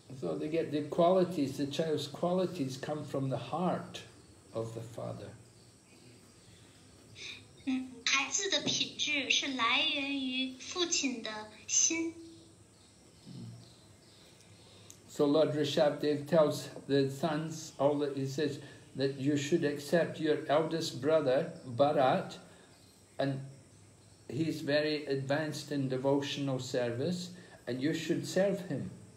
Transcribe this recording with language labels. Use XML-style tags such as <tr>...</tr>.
<en>So they get the qualities, the child's qualities come from the heart of the father.</en> <zh>孩子的品质是来源于父亲的心。</zh> <en>So Lord Rishabhdev tells the sons all that he says, that you should accept your eldest brother, Bharat, and he's very advanced in devotional service, and you should serve him.</en>